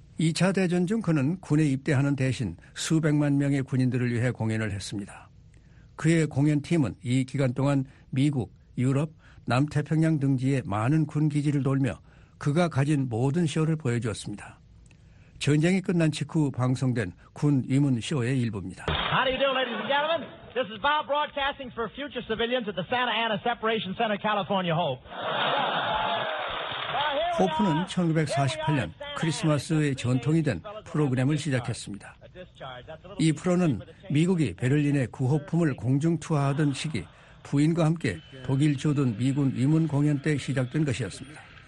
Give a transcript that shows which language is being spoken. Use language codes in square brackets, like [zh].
[ko] 2차 대전 중 그는 군에 입대하는 대신 수백만 명의 군인들을 위해 공연을 했습니다. 그의 공연팀은 이 기간 동안 미국, 유럽, 남태평양 등지의 많은 군기지를 돌며 그가 가진 모든 쇼를 보여주었습니다. 전쟁이 끝난 직후 방송된 군 위문 쇼의 일부입니다. [en] How do you do, ladies and gentlemen? This is Bob broadcasting for future civilians at the Santa Ana Separation Center, California Hope. [ko] 호프는 1948년 크리스마스의 전통이 된 프로그램을 시작했습니다. 이 프로는 미국이 베를린의 구호품을 공중투하하던 시기 부인과 함께 독일 주둔 미군 위문 공연 때 시작된 것이었습니다.